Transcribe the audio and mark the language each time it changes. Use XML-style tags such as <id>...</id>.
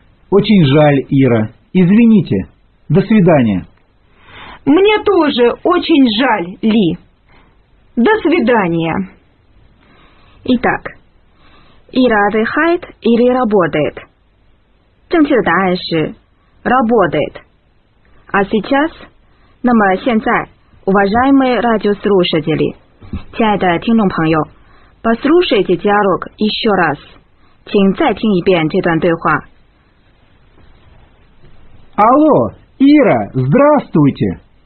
<ru>Очень жаль, Ира. Извините. До свидания. Мне тоже очень жаль, Ли. До свидания. Итак, Ира отдыхает или работает?</ru> <zh>正确的答案是 работает.</zh> <ru>А сейчас?</ru> <zh>那么现在,</zh> <ru>уважаемые радиослушатели,</ru> <zh>亲爱的听众朋友,</zh> <ru>Послушайте диалог еще раз.</ru> <zh>请再听一遍这段对话。</zh> <ru>Алло, Ира, здравствуйте.</ru>